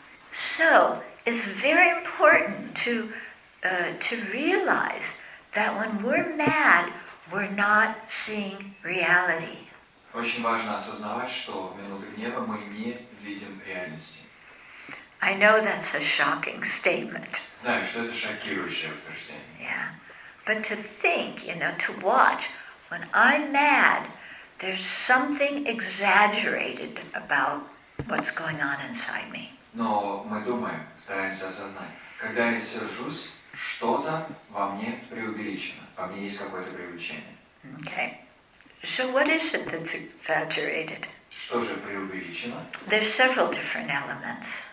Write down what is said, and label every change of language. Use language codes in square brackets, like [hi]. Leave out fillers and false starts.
[en] So it's very important to realize that when we're mad, we're not seeing reality. [ru] Очень важно осознавать, что в минуты гнева мы не видим реальности. [en] I know that's a shocking statement. [ru] Знаю, что это шокирующее утверждение. [en] Yeah. But to think, you know, to watch when I'm mad. There's something exaggerated about what's going on inside me. [ru] Но мы думаем, стараемся осознать. Когда я сержусь, что-то во мне преувеличено. Во мне есть какое-то преувеличение. [en] Okay. So what is it that's exaggerated? [ru] Что же преувеличено? [en] There's several different elements.